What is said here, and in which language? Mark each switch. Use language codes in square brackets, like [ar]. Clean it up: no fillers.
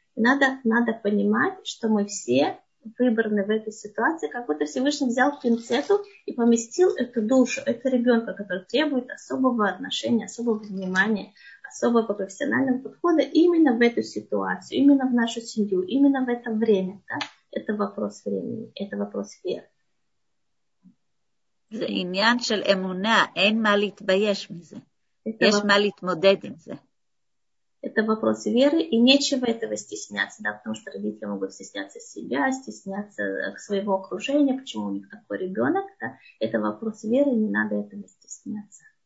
[ru] Надо понимать, что мы все выбраны в этой ситуации, как будто Всевышний взял пинцету и поместил эту душу, это ребенка, который требует особого отношения, особого внимания, особого профессионального подхода именно в эту ситуацию, именно в нашу семью, именно в это время. Да? Это вопрос времени, это вопрос веры. [he] זה עניין של אמונה, אין מה להתבייש מזה. יש מה להתמודד עם זה. [ru] Это вопрос веры, и нечего этого стесняться, да, потому что родители могут стесняться себя, стесняться своего окружения, почему у них такой ребенок, да, это вопрос веры, не надо этого стесняться.